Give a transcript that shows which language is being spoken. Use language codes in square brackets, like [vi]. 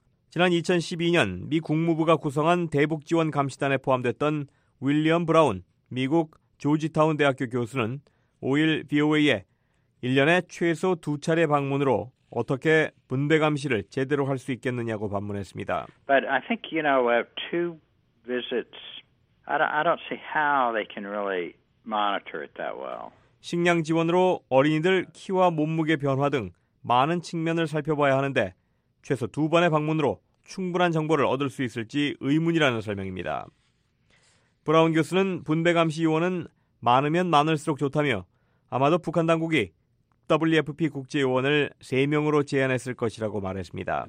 [ko] 지난 2012년 미 국무부가 구성한 대북지원감시단에 포함됐던 윌리엄 브라운 미국 조지타운 대학교 교수는 5일 BOA에 1년에 최소 두 차례 방문으로 어떻게 분배 감시를 제대로 할 수 있겠느냐고 반문했습니다. [en] But I think, you know, two visits, I don't see how they can really monitor it that well. [ko] 식량 지원으로 어린이들 키와 몸무게 변화 등 많은 측면을 살펴봐야 하는데 최소 두 번의 방문으로 충분한 정보를 얻을 수 있을지 의문이라는 설명입니다. 브라운 교수는 분배 감시 요원은 많으면 많을수록 좋다며 아마도 북한 당국이 WFP 국제 요원을 3명으로 제한했을 것이라고 말했습니다.